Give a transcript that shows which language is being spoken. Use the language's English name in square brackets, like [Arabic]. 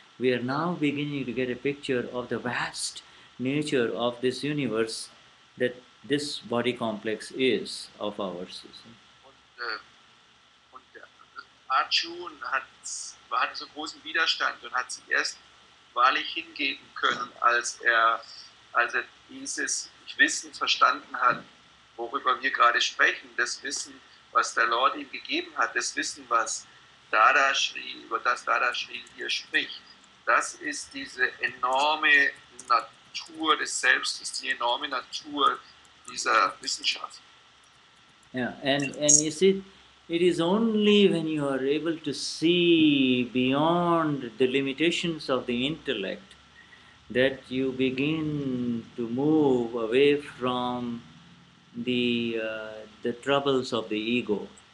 [English] We are now beginning to get a picture of the vast nature of this universe that this body complex is of ours. [German] And Arjun hatte so großen Widerstand und hat sich erst wahrlich hingeben können, als er dieses Wissen verstanden hat, worüber wir gerade sprechen, das Wissen, was der Lord ihm gegeben hat, das Wissen, was Dadashri, über das Dadashri hier spricht. Das ist diese enorme Natur des Selbst, ist die enorme Natur dieser Wissenschaft. [English] Yeah, and you see, it is only when you are able to see beyond the limitations of the intellect that you begin to move away from the troubles of the ego.